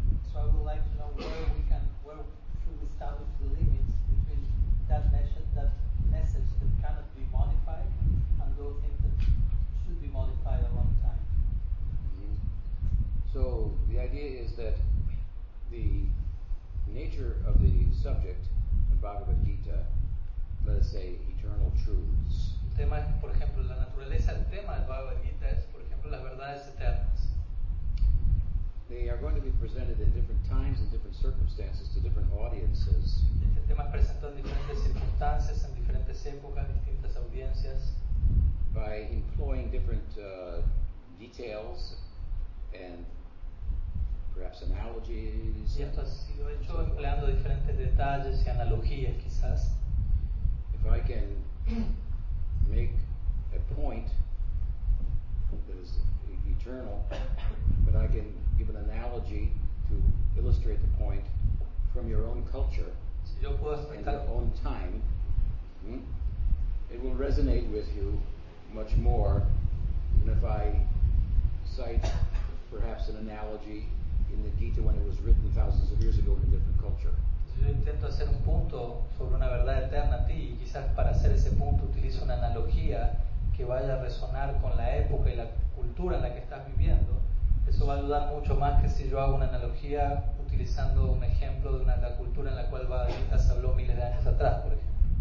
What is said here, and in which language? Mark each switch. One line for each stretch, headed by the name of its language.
English: So I would like to know where should we establish the limits between that message that cannot be modified and those things that should be modified a long time. Mm-hmm. So the idea is that the nature of the subject in Bhagavad Gita, let us say, eternal truths.
Spanish: El tema, por ejemplo, la naturaleza del tema del Bhagavad Gita es, por ejemplo, las verdades eternas.
English: They are going to be presented in different times and different circumstances to different audiences.
Spanish: Este tema es presentado en diferentes circunstancias, en diferentes épocas, distintas audiencias.
English: By employing different details and perhaps analogies.
Spanish: Y esto ha sido hecho empleando diferentes detalles y analogías, quizás.
English: If I can make a point that is eternal, but I can give an analogy to illustrate the point from your own culture,
Spanish: si yo puedo explicar,
English: and your own time, it will resonate with you much more than if I cite perhaps an analogy in the Gita when it was written thousands of years ago in a different culture.
Spanish: Yo intento hacer un punto sobre una verdad eterna a ti y quizás para hacer ese punto utilizo una analogía que vaya a resonar con la época y la cultura en la que estás viviendo. Eso va a ayudar mucho más que si yo hago una analogía utilizando un ejemplo de la cultura en la cual Bhagavad Gita se habló miles de años atrás, por ejemplo.